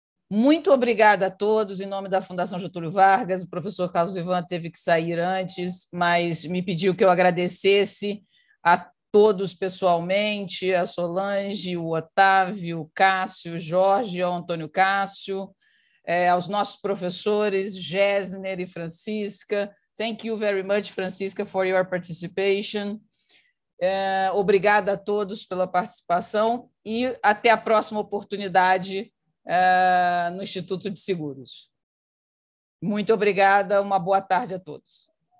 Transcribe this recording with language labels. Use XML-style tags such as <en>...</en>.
<pt>Muito obrigada a todos, em nome da Fundação Getúlio Vargas. O professor Carlos Ivan teve que sair antes, mas me pediu que eu agradecesse a todos pessoalmente, a Solange, o Otávio, o Cássio, o Jorge, o Antônio Cássio, aos nossos professores, Gessner e Francisca.</pt> <en>Thank you very much, Francisca, for your participation.</en> <pt>Obrigada a todos pela participação e até a próxima oportunidade no Instituto de Seguros. Muito obrigada, uma boa tarde a todos.</pt>